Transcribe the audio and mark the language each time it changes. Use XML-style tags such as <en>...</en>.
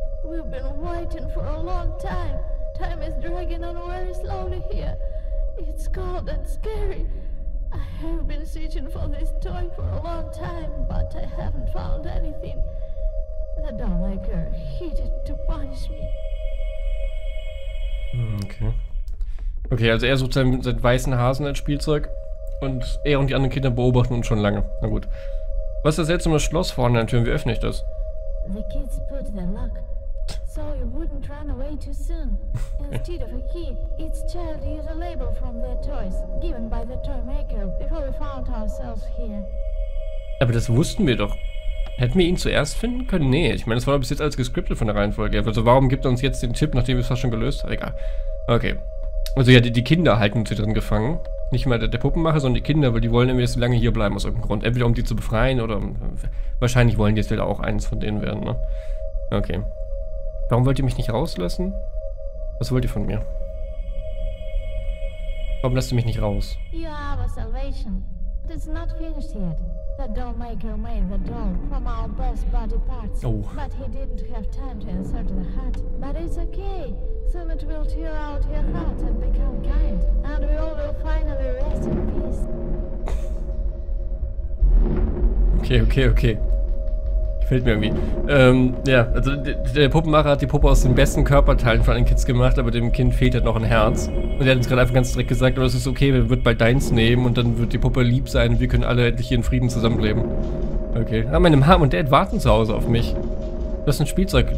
<en>We've been waiting for a long time. Time is dragging on very slowly here. It's cold and scary. I have been searching for this toy for a long time, but I haven't found anything. The dollmaker hated to punish me.</en> <de>Okay, also er sucht seinen weißen Hasen als Spielzeug. Und er und die anderen Kinder beobachten uns schon lange. Na gut. Was ist das seltsame Schloss vorne an der Tür? Wie öffne ich das?</de> <en>The kids put the lock, so you wouldn't run away too soon. Instead of a key, each child used a label from their toys, given by the toy maker, before we found ourselves here.</en> <de>Aber das wussten wir doch. Hätten wir ihn zuerst finden können? Nee, ich meine, das war doch bis jetzt alles gescriptet von der Reihenfolge. Also warum gibt er uns jetzt den Tipp, nachdem wir es fast schon gelöst haben? Egal. Okay. Also ja, die Kinder halten uns hier drin gefangen. Nicht mal der Puppenmacher, sondern die Kinder, weil die wollen irgendwie so lange hier bleiben aus irgendeinem Grund. Entweder um die zu befreien oder wahrscheinlich wollen die jetzt wieder auch eins von denen werden, ne? Okay. Warum wollt ihr mich nicht rauslassen? Was wollt ihr von mir? Warum lasst ihr mich nicht raus?</de> <en>You are our salvation. But it's not finished yet. The doll maker made the doll from our best body parts. Oh. But he didn't have time to insert the heart. But it's okay. Soon it will tear out your heart and become kind. And we all will finally rest in peace.</en> <de>Okay. Fällt mir irgendwie. Ja, also der Puppenmacher hat die Puppe aus den besten Körperteilen von allen Kids gemacht, aber dem Kind fehlt halt noch ein Herz. Und er hat uns gerade einfach ganz direkt gesagt, aber es ist okay, wir wird bald deins nehmen und dann wird die Puppe lieb sein und wir können alle endlich hier in Frieden zusammenleben. Okay. Ah, meine Mom und Dad warten zu Hause auf mich. Du hast ein Spielzeug.</de>